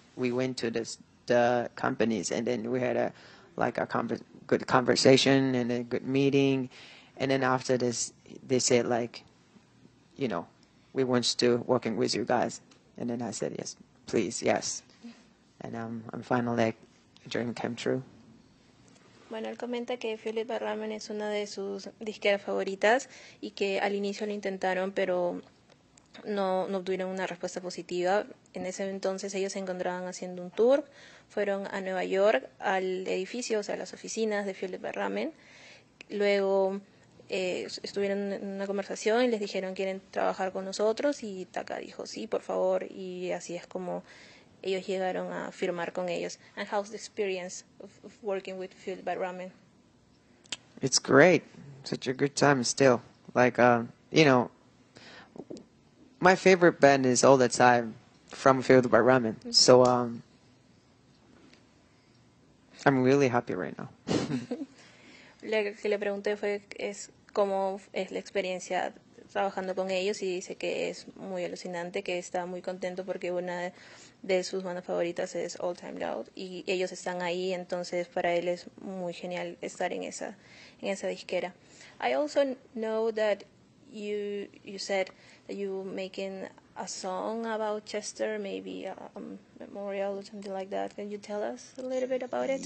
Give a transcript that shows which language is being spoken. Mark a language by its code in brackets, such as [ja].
[en] We went to the companies, and then we had a good conversation and a good meeting. And then after this, they said like, you know, we want to working with you guys. And then I said, yes, please, yes. And I'm finally like, a dream came true. [es] Bueno, él comenta que Violet by Ramen es una de sus disqueras favoritas y que al inicio lo intentaron, pero no obtuvieron una respuesta positiva. En ese entonces ellos se encontraban haciendo un tour, fueron a Nueva York, al edificio, o sea, a las oficinas de Violet by Ramen. Luego estuvieron en una conversación y les dijeron, ¿quieren trabajar con nosotros? Y Taka dijo, sí, por favor, y así es como ellos llegaron a firmar con ellos. [en] And how's the experience of working with Field by Ramen? It's great. Such a good time still. Like, you know, my favorite band is all the time from Field by Ramen. So I'm really happy right now. [es] Lo que le pregunté fue es cómo es la experiencia trabajando con ellos, y dice que es muy alucinante, que está muy contento porque una de sus bandas favoritas es All Time Loud y ellos están ahí, entonces para él es muy genial estar en esa disquera. [en] I also know that you said that you making a song about Chester, maybe a memorial or something like that. Can you tell us a little bit about it?